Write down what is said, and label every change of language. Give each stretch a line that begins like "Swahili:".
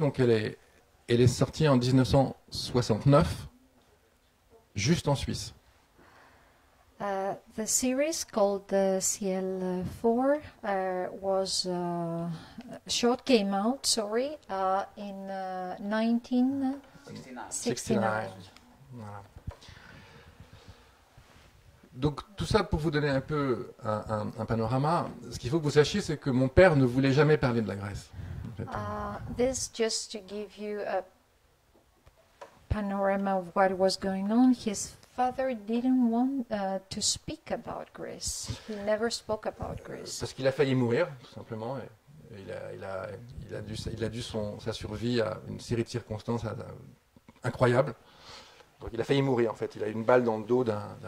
French: Donc, elle est sortie en 1969, juste en Suisse.
English: The series called Sial 4 was short came out, sorry, in 1969.
French: Donc tout ça pour vous donner un peu un panorama. Ce qu'il faut que vous sachiez, c'est que mon père ne voulait jamais parler de la Grèce.
English: This just to give you a panorama of what was going on. His father didn't want to speak about Greece. He never spoke about Greece.
French: Parce qu'il a failli mourir, tout simplement. Et il a dû sa survie à une série de circonstances incroyables. Donc il a failli mourir, en fait. Il a eu une balle dans le dos d'un